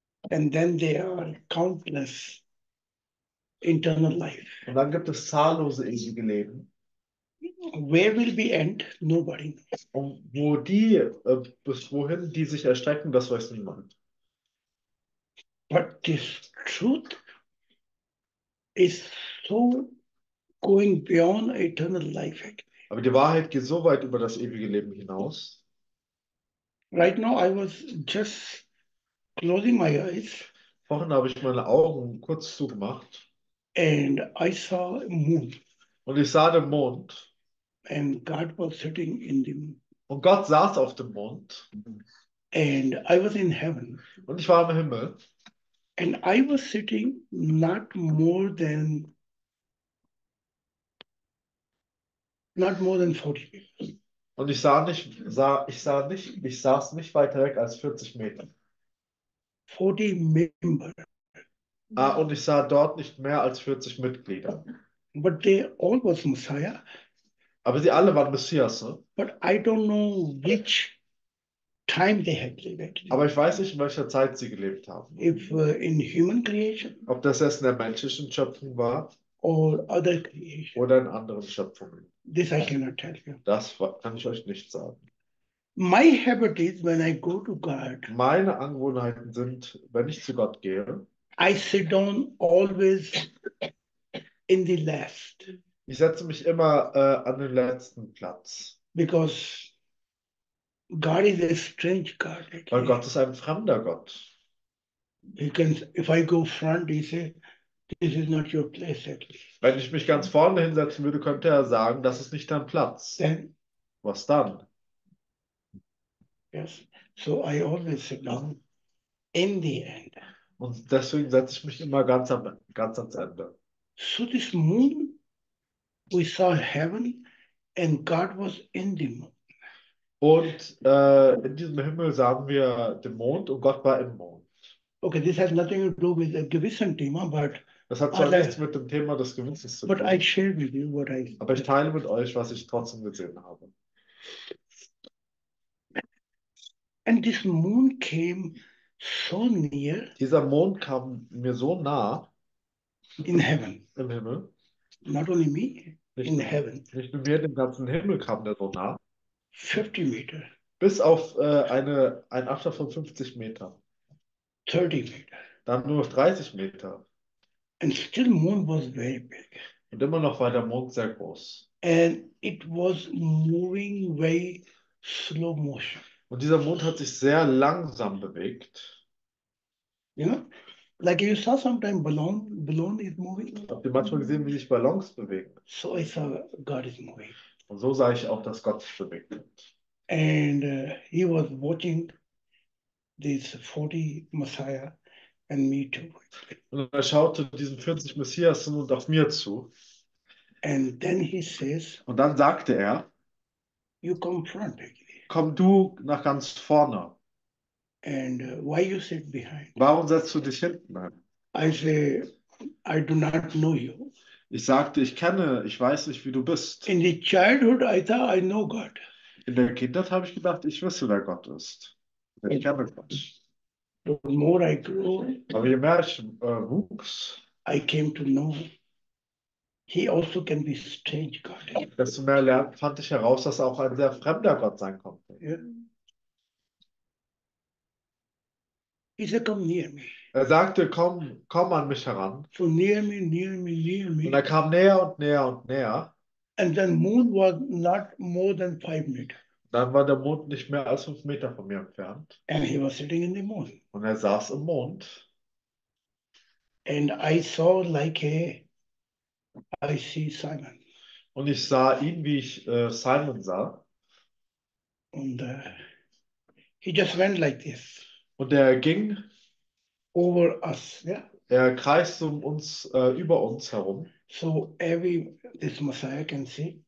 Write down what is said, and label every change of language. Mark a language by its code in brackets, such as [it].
[en] And then there are countless internal life. [de] Und dann gibt es zahllose ewige Leben. [en] Where will we end? Nobody knows. [de] Und wo die, bis wohin die sich erstrecken, das weiß niemand. [en] But this truth is so going beyond eternal life actually. [de] Aber die Wahrheit geht so weit über das ewige Leben hinaus. [en] Right now I was just closing my eyes [de] Vorhin habe ich meine Augen kurz zugemacht. [en] and I saw a moon. [de] Und ich sah den Mond. [en] And God was sitting in the moon. [de] Und Gott saß auf dem Mond. [en] And I was in heaven. [de] Und ich war im Himmel. [en] And I was sitting not more than 40 feet. [de] Und ich sah nicht, sah, ich sah nicht, ich saß nicht weiter weg als 40 Meter. [en] 40 Member. [de] Ah, und ich sah dort nicht mehr als 40 Mitglieder. [en] But they all was Messiah. [de] Aber sie alle waren Messias. Ne? [en] But I don't know which time they had lived [de] Aber [en] actually. [de] ich weiß nicht, in welcher Zeit sie gelebt haben. [en] If in human creation [de] Ob das erst in der menschlichen Schöpfung war [en] or other creation. [de] oder in anderen Schöpfungen. [en] This I cannot tell you. [de] Das kann ich euch nicht sagen. [en] My habit is when I go to God, [de] Meine Angewohnheiten sind, wenn ich zu Gott gehe, [en] I sit down always in the last. [de] ich setze mich immer an den letzten Platz. [en] Because God is a strange God, [de] Weil [en] actually. [de] Gott ist ein fremder Gott. [en] If I go front, he say, this is not your place, actually. [de] Wenn ich mich ganz vorne hinsetzen würde, könnte er sagen, das ist nicht dein Platz. [en] Then, [de] Was dann? [en] yes, so I always sit down in the end. [de] Und deswegen setze ich mich immer ganz ans Ende. [en] So this moon, we saw heaven and God was in the moon. [de] Und in diesem Himmel sahen wir den Mond und Gott war im Mond. [en] Okay, this has nothing to do with a [de] gewissen Thema, [en] but [de] Das hat zwar nichts [en] other, [de] mit dem Thema des Gewissens zu [en] but I [de] tun, [en] share with you what I [de] aber ich [en] just [de] teile mit euch, was ich trotzdem gesehen habe. [en] And this moon came so near [de] Dieser Mond kam mir so nah [en] in heaven. [de] im Himmel. [en] Not only me, in heaven. [de] Nicht nur mir, dem ganzen Himmel kam der so nah. [en] 50 Meter. [de] Bis auf ein Abstand von 50 Meter. [en] 30 Meter. [de] Dann nur noch 30 Meter. [en] And still moon was very big. [de] Und immer noch war der Mond sehr groß. [en] And it was moving very slow motion. [de] Und dieser Mond hat sich sehr langsam bewegt. [en] You know, like you saw sometime balloon is moving. [de] Habt ihr manchmal gesehen, wie sich Ballons bewegen? [en] So I saw God is moving. [de] Und so sah ich auch, dass Gott sich bewegt. [en] And he was watching this 40 Messiah and me too. [de] Und er schaute diesen 40 Messias hin und auf mir zu. [en] And then he says, [de] Und dann sagte er, [en] you come front, baby. [de] komm du nach ganz vorne. [en] And why you sit behind? [de] Warum setzt du dich hinten an? [en] I say, I do not know you. [de] Ich sagte, ich weiß nicht, wie du bist. [en] In the childhood, I thought I know God. [de] In der Kindheit habe ich gedacht, ich wüsste, wer Gott ist. Ich kenne Gott. [en] The more I grew, [de] Aber je mehr ich wuchs, [en] I came to know, he also can be strange God. [de] desto mehr lernt, fand ich heraus, dass er auch ein sehr fremder Gott sein konnte. [en] He said, come near me. [de] Er sagte, komm, komm an mich heran. [en] So near me, near me, near [de] Und er kam näher und näher und näher. [en] And the moon was not more than 5 meters. [de] Dann war der Mond nicht mehr als 5 Meter von mir entfernt. [en] And he was sitting in the moon. [de] Und er saß im Mond. [en] And I saw like a, I see Simon. [de] Und ich sah ihn, wie ich Simon sah. [en] And he just went like this. [de] Und er ging. [en] Over us, yeah. [de] Er kreist um uns, über uns herum, [en] So every this Messiah can see.